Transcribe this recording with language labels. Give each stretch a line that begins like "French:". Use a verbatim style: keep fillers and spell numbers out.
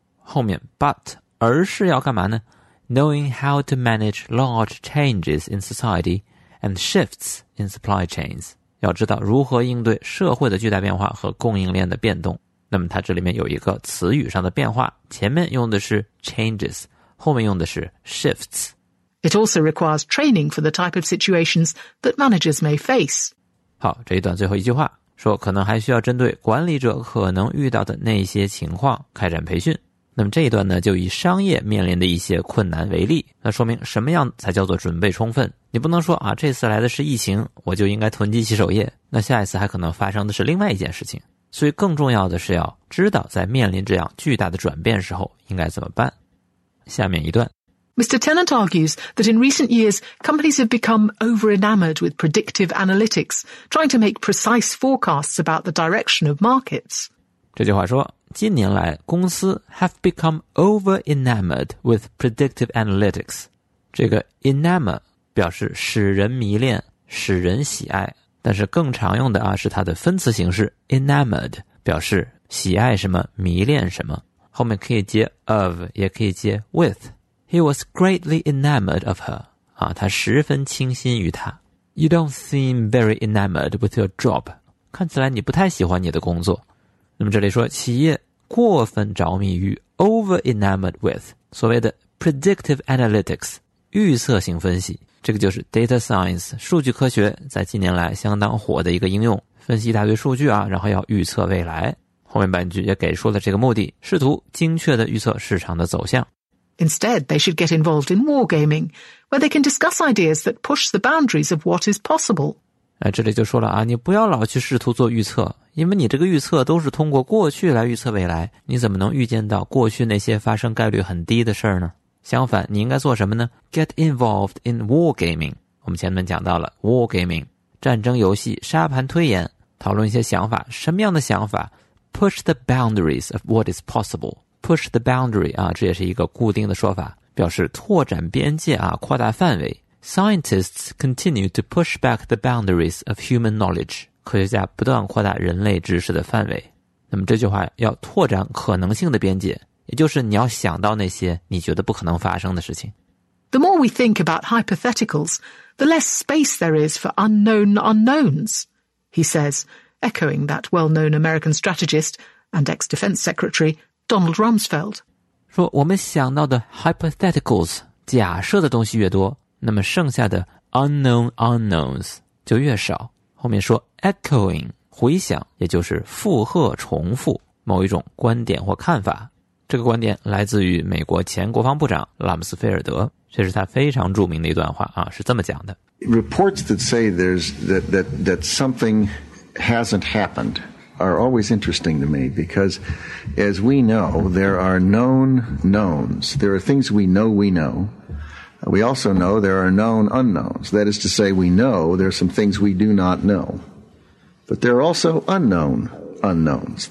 Chinese: 后面 but 而是要干嘛呢？
English: Knowing how to manage large changes in society and shifts in supply chains，
Chinese: 要知道如何应对社会的巨大变化和供应链的变动。那么它这里面有一个词语上的变化，前面用的是 changes， 后面用的是 shifts。
English: It also requires training for the type of situations that managers may face。
Chinese: 好，这一段最后一句话说可能还需要针对管理者可能遇到的那些情况开展培训。那么这一段呢，就以商业面临的一些困难为例，那说明什么样才叫做准备充分。你不能说啊，这次来的是疫情，我就应该囤积洗手液，那下一次还可能发生的是另外一件事情。所以更重要的是要知道在面临这样巨大的转变时候应该怎么办。下面一段
English: Mister Tennant argues that in recent years companies have become over-enamored with predictive analytics, trying to make precise forecasts about the direction of markets.
Chinese: 这句话说近年来公司
English: have become over enamored with predictive analytics。
Chinese: 这个 enamor 表示使人迷恋，使人喜爱，但是更常用的啊是它的分词形式 enamored， 表示喜爱什么，迷恋什么，后面可以接 of， 也可以接 with。
English: He was greatly enamored of her，
Chinese: 啊，他十分倾心于她。
English: You don't seem very enamored with your job，
Chinese: 看起来你不太喜欢你的工作。那么这里说企业过分着迷于
English: over enamored with，
Chinese: 所谓的 predictive analytics， 预测性分析，这个就是 data science 数据科学在近年来相当火的一个应用，分析一大堆数据啊，然后要预测未来。后面半句也给出了这个目的，试图精确地预测市场的走向。
English: Instead, they should get involved in wargaming, where they can discuss ideas that push the boundaries of what is possible。
Chinese: 哎，这里就说了啊，你不要老去试图做预测，因为你这个预测都是通过过去来预测未来，你怎么能预见到过去那些发生概率很低的事儿呢？相反，你应该做什么呢？
English: Get involved in wargaming。
Chinese: 我们前面讲到了 wargaming， 战争游戏，沙盘推演，讨论一些想法，什么样的想法？
English: Push the boundaries of what is possible。 Push the boundary
Chinese: 啊，这也是一个固定的说法，表示拓展边界啊，扩大范围。
English: Scientists continue to push back the boundaries of human knowledge。
Chinese: 科学家不断扩大人类知识的范围。那么这句话要拓展可能性的边界，也就是你要想到那些你觉得不可能发生的事情。
English: The more we think about hypotheticals, the less space there is for unknown unknowns, he says, echoing that well-known American strategist and ex-defense secretary Donald Rumsfeld。
Chinese: 说我们想到的 hypotheticals 假设的东西越多，那么剩下的 unknown unknowns 就越少。后面说 echoing 回响，也就是附和重复某一种观点或看法。这个观点来自于美国前国防部长拉姆斯菲尔德，这是他非常著名的一段话啊，是这么讲的。
English: Reports that say there's that that that something hasn't happened are always interesting to me, because as we know, there are known knowns. There are things we know we know. We also know there are known unknowns. That is to say, we know there are some things we do not know. But there are also unknown unknowns.